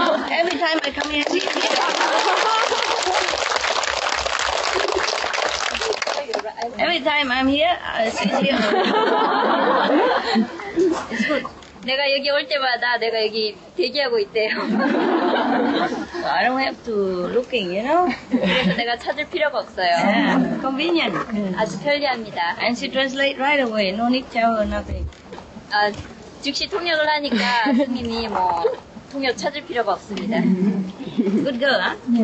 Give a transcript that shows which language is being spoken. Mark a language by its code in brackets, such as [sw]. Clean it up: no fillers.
[en] Every time I come here, she's here. Every time I'm here, she's here. It's good. [ko] 내가 여기 올 때마다 내가 여기 대기하고 있대요. [en] So I don't have to looking, you know? [ko] 그래서 내가 찾을 필요가 없어요. [en] Yeah, convenient. [ko] 아주 편리합니다. [en] And she translate right away, no need to tell her nothing. [ko] 아, 즉시 통역을 하니까 승민이 뭐 통역 찾을 필요가 없습니다. [en] Good girl, huh?